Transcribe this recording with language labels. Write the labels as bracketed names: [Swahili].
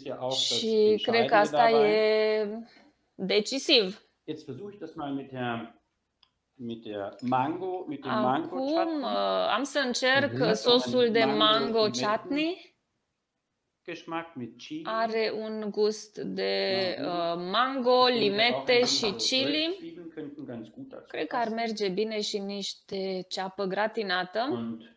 [Romanian] Și cred că asta e decisiv. [German] Jetzt versuche ich das mal mit der Mango, mit dem Mango Chutney. [Romanian] Am să încerc sosul de mango chutney. [German] Geschmack mit chili. [Romanian] Are un gust de mango, limete și chili. Cred că ar merge bine și niște ceapă gratinată.